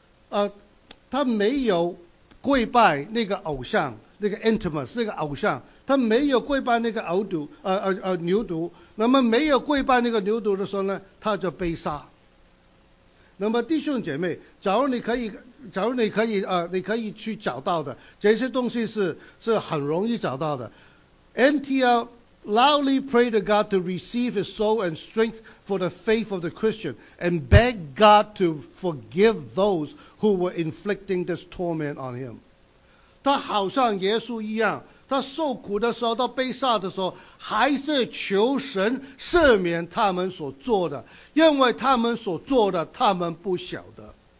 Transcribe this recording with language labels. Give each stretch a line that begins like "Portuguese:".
Chinese: 他没有跪拜那个偶像，那个 intimus 那个偶像，他没有跪拜那个牛犊。那么没有跪拜那个牛犊的时候呢，他就被杀。那么弟兄姐妹，假如你可以去找到的，这些东西是很容易找到的。
English: NTL loudly prayed to God to receive his soul and strength for the faith of the Christian and begged God to forgive those who were inflicting this torment on him.
Chinese: 他好像耶稣一样，他受苦的时候，他被杀的时候，还是求神赦免他们所做的，因为他们所做的他们不晓得。